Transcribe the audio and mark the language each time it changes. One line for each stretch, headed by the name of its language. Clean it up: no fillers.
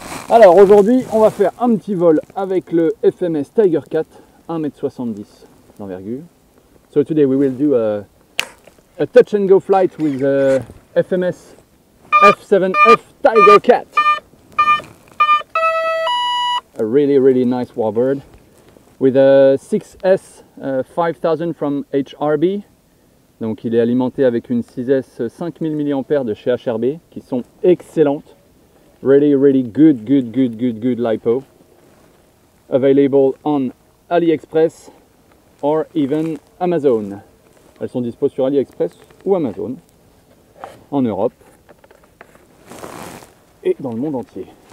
French: Alors aujourd'hui, on va faire un petit vol avec le FMS Tiger Cat, 1m70 d'envergure.
English: So today we will do a touch and go flight with a FMS F7F Tiger Cat. A really, really nice warbird with a 6S 5000 from HRB.
French: Donc il est alimenté avec une 6S 5000 mAh de chez HRB qui sont excellentes.
English: Really, really good LiPo. Available on AliExpress or even Amazon.
French: Elles sont dispo sur AliExpress ou Amazon en Europe et dans le monde entier.